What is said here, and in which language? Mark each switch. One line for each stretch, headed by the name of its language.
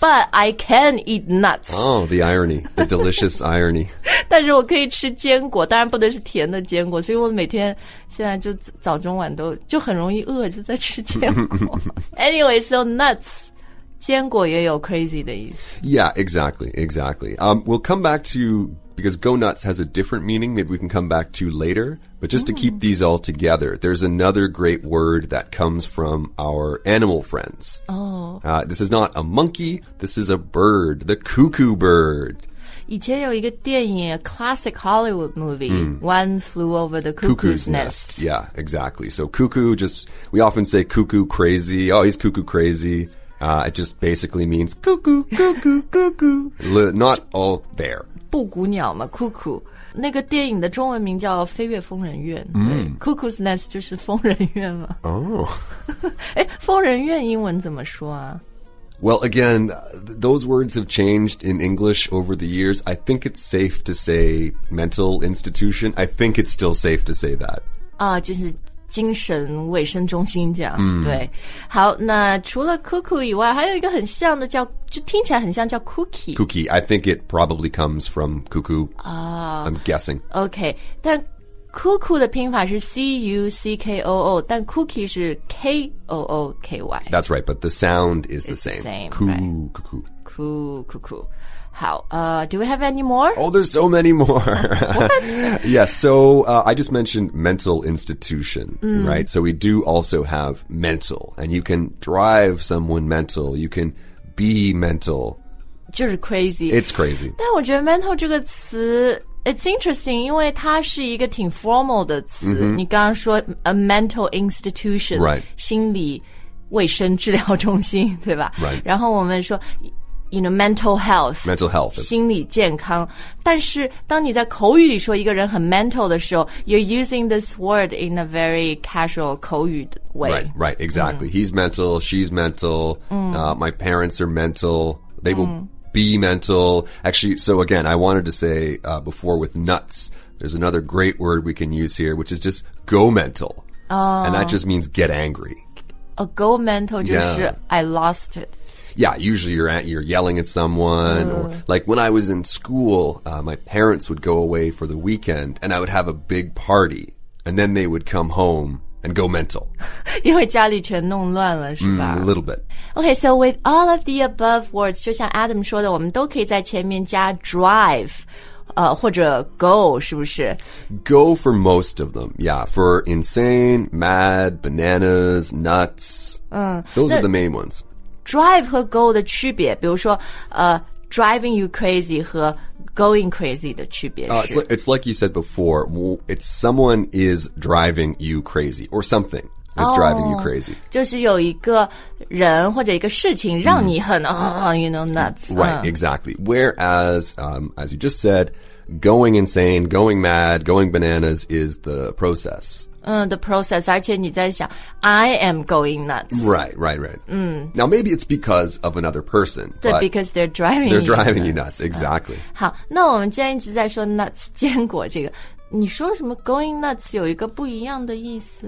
English: But I can eat nuts. Oh, the irony. The delicious irony.
Chinese: 但是我可以吃坚果当然不能是甜的坚果所以我每天现在就早中晚都就很容易饿就在吃坚果。
English: Anyway, so nuts.
Chinese: 坚果也有 crazy 的意思。
English: Yeah, exactly. We'll come back to, because go nuts has a different meaning, maybe we can come back to later, but just to keep these all together, there's another great word that comes from our animal friends. Oh. This is not a monkey, this is a bird, the cuckoo bird.
Chinese: 以前有一个电影,
English: a classic Hollywood movie,
Chinese: One Flew Over the
English: Cuckoo's Nest. Yeah, exactly. So cuckoo, just, we often say cuckoo crazy, oh, he's cuckoo crazy. It just basically means cuckoo, cuckoo, cuckoo. Not all there.
Chinese: 布谷鸟嘛 cuckoo. 那个电影的中文名叫飞越疯人院。 Cuckoo's Nest 就是疯人院嘛。疯人院英文怎么说啊?
English: Well, again, those words have changed in English over the years. I think it's safe to say mental institution. I think it's still safe to say that.
Chinese: 就是精神卫生中心这样、对好那除了 cuckoo 以外还有一个很像的叫就听起来很像叫 cookie
English: I think it probably comes from cuckoo、I'm guessing
Chinese: OK 但 cuckoo 的拼法是 c-u-c-k-o-o 但 cookie 是 k-o-o-k-y
English: That's right but the sound is the same, cuckoo好do we have any more? Oh, there's so many more. What? Yes, so I just mentioned mental institution, right? So we do also have mental, and you can drive someone mental, you can be mental.
Chinese: 就是 crazy.
English: It's crazy.
Chinese: 但我觉得 mental 这个词
English: it's interesting,
Chinese: 因为它是一个挺 formal 的词。你刚刚说 a mental institution,
English: right.
Chinese: 心理卫生治疗中心，对吧？
English: Right.
Chinese: 然后我们说
English: You know, mental health,
Chinese: 心理健康。但是当你在口语里说一个人很 mental 的时候
English: you're using this word in a very casual
Chinese: 口语 way.
English: Right, exactly.、He's mental, she's mental,、my parents are mental, they will、be mental. Actually, so again, I wanted to say、before with nuts, there's another great word we can use here, which is just go mental.、And that just means get angry. A go mental
Chinese: 就是、
English: I lost it. Yeah, usually you're yelling at someone. Or, like when I was in school,、my parents would go away for the weekend and I would have a big party. And then they would come home and go mental.
Chinese: 因为家里全弄乱了是吧、
English: a little bit. Okay, so with all of the above words,
Chinese: 就像 Adam 说的我们都可以在前面加 drive、或者 go, 是不是
English: Go for most of them, yeah. For insane, mad, bananas, nuts,、those are the main ones.
Chinese: Drive 和 go 的区别比如说、driving you crazy 和going crazy 的区别是、
English: it's like you said before, it's someone is driving you crazy, or something is driving you crazy.
Chinese: 就是有一个人或者一个事情让你很、you know, nuts.
English: Right, exactly. Whereas,、as you just said, going insane, going mad, going bananas is the process. The process,
Chinese: 而且你在想
English: I am going nuts. Right, right, right.、Now maybe it's because of another person.
Chinese: 对
English: because they're driving you nuts. They're driving you nuts, exactly.、
Chinese: 好那我们今天一直在说 nuts, 坚果这个。你说什么 going nuts 有一个不一样的意思。